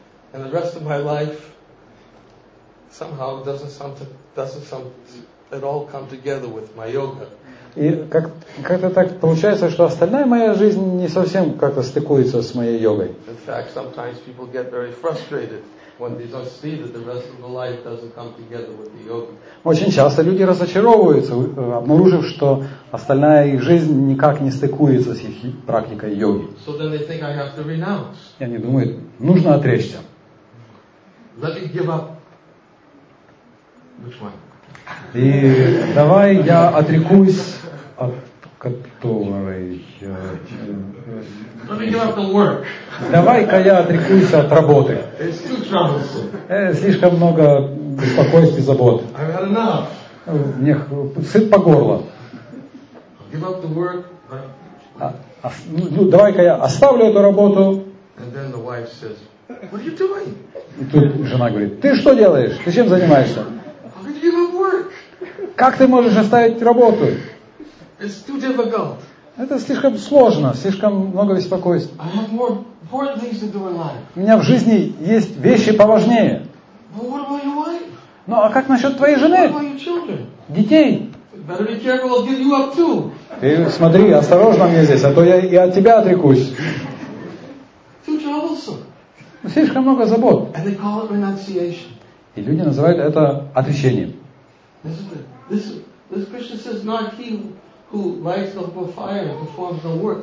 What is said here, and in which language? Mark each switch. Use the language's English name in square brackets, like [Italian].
[English] And the rest of my life somehow doesn't at all come together with my yoga. [Russian] И как-то так получается, что остальная моя жизнь не совсем как-то стыкуется с моей йогой. [English] In fact, sometimes people get very frustrated when they don't see that the rest of their life doesn't come together with the yoga. [Russian] Очень часто люди разочаровываются, обнаружив, что остальная их жизнь никак не стыкуется с их практикой йоги. [English] So then they think I have to renounce. [Russian] И они думают, нужно отречься. [English] Let me give up. Which one? [Russian] И давай я отрекусь от которой. [English] Let me give up the work. [Russian] Давай-ка я отрекусь от работы. [English] It's too troublesome. [Russian] Слишком много беспокойств и забот. [English] I've had enough. [Russian] Мне сыт по горло. [English] Give up the work. [Russian] Ну, давай-ка я оставлю эту работу. [English] And then the wife says, "What are you doing?" [Russian] И тут жена говорит, ты что делаешь? Ты чем занимаешься? [English] How can you not work? [Russian] Как ты можешь оставить работу? [English] It's too difficult. [Russian] Это слишком сложно, слишком много беспокойств. [English] I have more important things to do in life. [Russian] У меня в жизни есть вещи поважнее. [English] But what about your wife? [Russian] Ну а как насчет твоей жены? [English] What about your children? [Russian] Детей. [English] Better be careful, I'll give you up too. [Russian] Ты смотри, осторожно мне здесь, а то я от тебя отрекусь. Слишком много забот. [English] And they call it renunciation. [Russian] И люди называют это отречением. [English] This Krishna says, not he who lights up a fire and performs no work.